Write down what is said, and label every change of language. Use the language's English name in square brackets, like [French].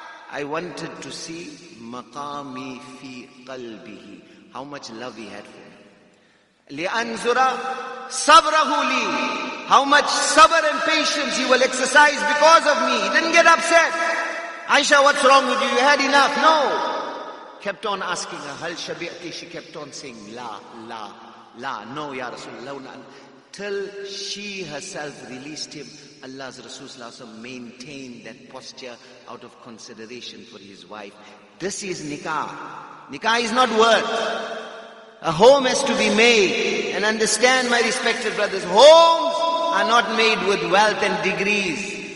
[English] I wanted to see [Arabic] maqami fi qalbihi, [English] how much love he had for me. [Arabic] لِأَنْزُرَ صَبْرَهُ لِي, [English] how much sabr and patience he will exercise because of me. He didn't get upset. Aisha, what's wrong with you? You had enough. No. Kept on asking her, [Arabic] هَلْ شَبِعْتِ? [English] She kept on saying, [Arabic] لا, لا, لا, [English] no, [Arabic] يا رسول الله. [English] Till she herself released him, Allah's Rasul Sallallahu Alaihi Wasallam maintained that posture out of consideration for his wife. This is nikah. Nikah is not words. A home has to be made. And understand, my respected brothers, homes are not made with wealth and degrees.